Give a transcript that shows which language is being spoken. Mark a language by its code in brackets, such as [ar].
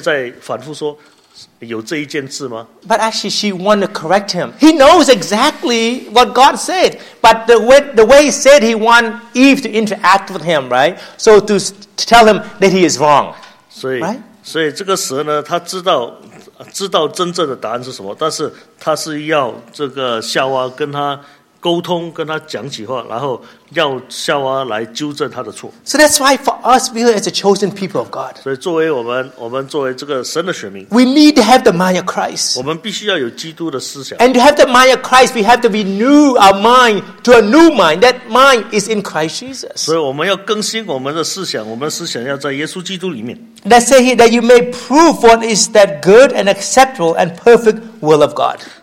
[zh] 几乎每一个女人，如果你跟她说错的一句话，她都会纠正你。所以蛇这样会这样跟夏娃说。但是如果蛇会跟男人说的话，男人就会在反复说，有这一件事吗？ [en] But actually, she wanted to correct him. He knows exactly what God said, but the way he said, he wanted Eve to interact with him, right? So to tell him that he is wrong. [zh] 所以这个蛇呢，他知道。知道真正的答案是什么，但是他是要这个夏娃跟他沟通，跟他讲起话，然后要夏娃来纠正他的错。So [en] that's why for us, we are as a chosen people of God. [zh] 所以作为我们，作为这个神的选民， [en] we need to have the mind of Christ. [zh] 我们必须要有基督的思想。And [en] to have the mind of Christ, we have to renew our mind to a new mind. That mind is in Christ Jesus. [zh] 所以我们要更新我们的思想，我们思想要在耶稣基督里面。 [en] That say here that you may prove what is that good and acceptable and perfect will of God.